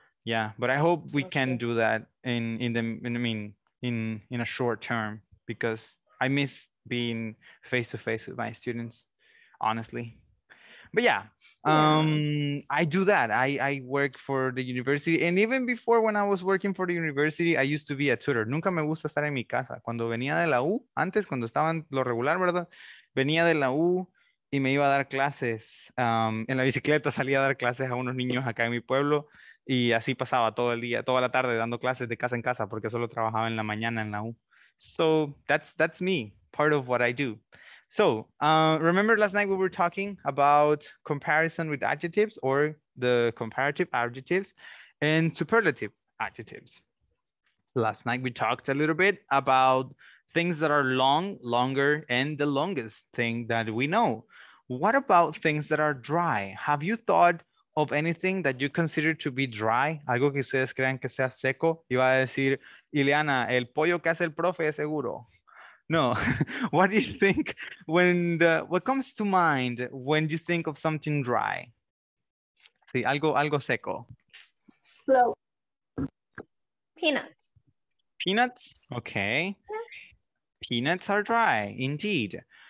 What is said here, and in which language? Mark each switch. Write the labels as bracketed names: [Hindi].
[English] Yeah, but I hope we can do that in a short term, because I miss being face to face with my students, honestly. But yeah, I do that. I work for the university, and even before, when I was working for the university, I used to be a tutor. [Spanish] Nunca me gusta estar en mi casa. Cuando venía de la U, antes, cuando estaban lo regular, ¿verdad? Venía de la U y me iba a dar clases. En la bicicleta salía a dar clases a unos niños acá en mi pueblo. Y así pasaba todo el día, toda la tarde, dando clases de casa en casa, porque solo trabajaba en la mañana en la U. [English] So that's me, part of what I do. So remember last night we were talking about comparison with adjectives, or the comparative adjectives and superlative adjectives. Last night we talked a little bit about things that are long, longer, and the longest thing that we know. What about things that are dry? Have you thought of anything that you consider to be dry? [Spanish] Algo que ustedes crean que sea seco. Iba a decir, Ileana, el pollo que hace el profe es seguro. No. [English] What do you think what comes to mind when you think of something dry? [Spanish] Sí, algo seco. [English] Hello. Peanuts. Peanuts? Okay. Peanuts are dry, indeed.